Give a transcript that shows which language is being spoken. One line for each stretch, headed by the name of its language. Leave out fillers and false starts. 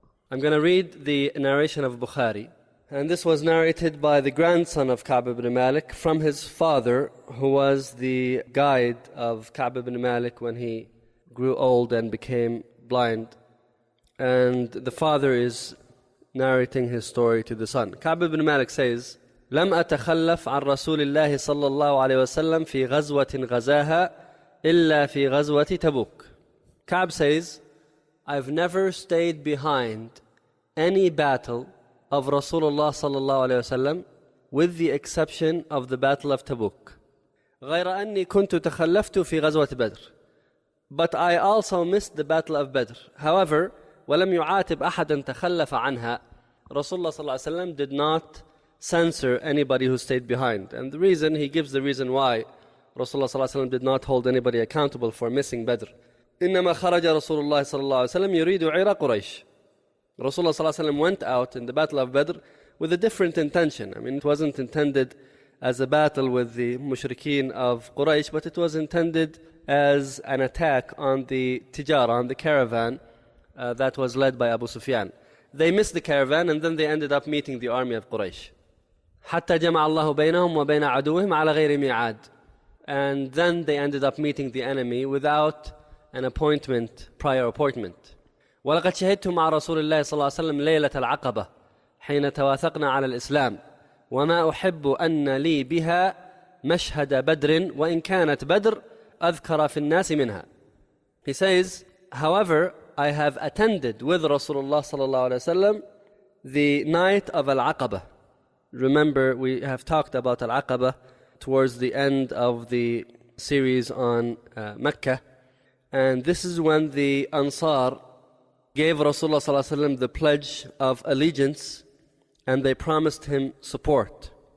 English: I'm going to read the narration of Bukhari, and this was narrated by the grandson of Ka'b ibn Malik from his father, who was the guide of Ka'b ibn Malik when he grew old and became blind. And the father is narrating his story to the son. Ka'b ibn Malik says,
Arabic: لم أتخلف عن رسول الله صلى الله عليه وسلم في غزوة غزاها إلا في غزوة تبوك.
English: Ka'b says, I've never stayed behind any battle of Rasulullah sallallahu alayhi wa sallam, with the exception of the Battle of Tabuk.
Arabic: غير أني كنت تخلفت في غزوة بدر.
English: But I also missed the Battle of Badr. However,
Arabic: ولم يعاتب أحدا تخلف عنها.
English: Rasulullah sallallahu alayhi wa sallam did not censor anybody who stayed behind. And the reason, he gives the reason why Rasulullah sallallahu alayhi wa sallam did not hold anybody accountable for missing Badr.
Arabic: إنما خرج رسول الله صلى الله عليه وسلم يريد عير قريش.
English: Rasulullah sallallahu alayhi wa sallam went out in the Battle of Badr with a different intention. I mean, it wasn't intended as a battle with the mushrikeen of Quraysh, but it was intended as an attack on the tijara, on the caravan that was led by Abu Sufyan. They missed the caravan, and then they ended up meeting the army of Quraysh.
Arabic: حتى جمع الله بينهم وبين عدوهم على غير ميعاد.
English: And then they ended up meeting the enemy without an appointment, prior appointment.
Arabic: ولقد شهدت مع رسول الله صلى الله عليه وسلم ليلة العقبة حين تواثقنا على الإسلام وما أحب أن لي بها مشهد بدر وإن كانت بدر أذكر في الناس منها.
English: He says, however, I have attended with Rasulullah صلى الله عليه وسلم the night of Al-Aqaba. Remember, we have talked about Al-Aqaba towards the end of the series on Mecca. And this is when the Ansar gave Rasulullah صلى الله عليه وسلم the pledge of allegiance, and they promised him support.